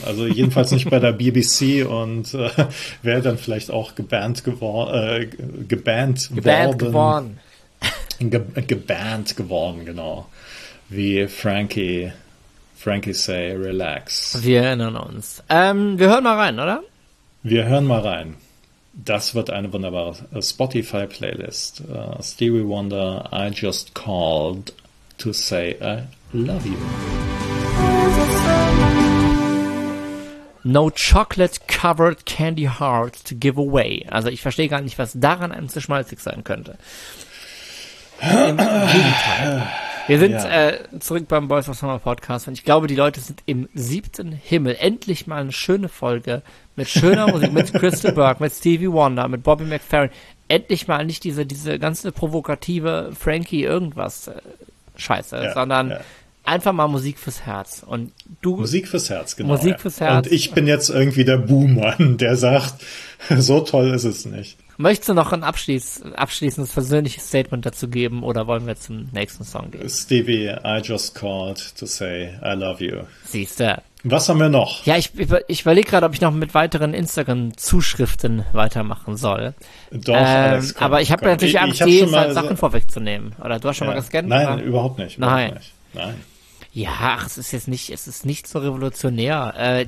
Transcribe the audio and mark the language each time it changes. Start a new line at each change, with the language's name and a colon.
German: Also jedenfalls nicht bei der BBC und wäre dann vielleicht auch gebannt geworden, genau. Wie Frankie say, relax. Wir erinnern uns. Wir hören mal rein, oder? Wir hören mal rein. Das wird eine wunderbare Spotify-Playlist.
English: Stevie Wonder, I just called to say I love you. No chocolate-covered candy heart to give away.
German: Also ich verstehe gar nicht, was daran einem zu schmalzig sein könnte. Wir sind zurück beim Boys of Summer Podcast und ich glaube, die Leute sind im siebten Himmel. Endlich mal eine schöne Folge mit schöner Musik, mit Crystal Burke, mit Stevie Wonder, mit Bobby McFerrin. Endlich mal nicht diese ganze provokative Frankie irgendwas Scheiße, sondern einfach mal Musik fürs Herz. Und du, Musik fürs Herz, genau. Musik fürs Herz. Und ich bin jetzt irgendwie der Boomer, der sagt, so toll ist es nicht. Möchtest du noch ein abschließendes persönliches Statement dazu geben oder wollen wir zum nächsten Song gehen?
English: Stevie, I just called to say I love you.
German: Siehste. Was haben wir noch? Ja, ich überlege gerade, ob ich noch mit weiteren Instagram-Zuschriften weitermachen soll. Doch, Alex, komm, aber ich habe natürlich Angst, die halt Sachen vorwegzunehmen. Oder du hast schon mal gescannt? Nein, überhaupt nicht. Nein. Ja, ach, es ist nicht so revolutionär.